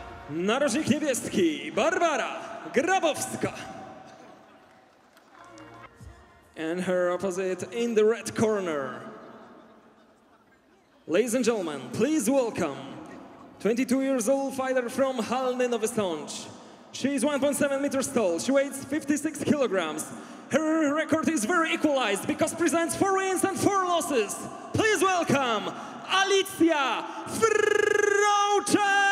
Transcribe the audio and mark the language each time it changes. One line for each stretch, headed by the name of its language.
Polish: Narożnik niebieski, Barbara Grabowska.
English: And her opposite in the red corner. Ladies and gentlemen, please welcome 22 years old fighter from Halny Nowy Sącz. She is 1.7 meters tall. She weighs 56 kilograms. Her record is very equalized because presents 4 wins and 4 losses. Please welcome Alicja Frączek!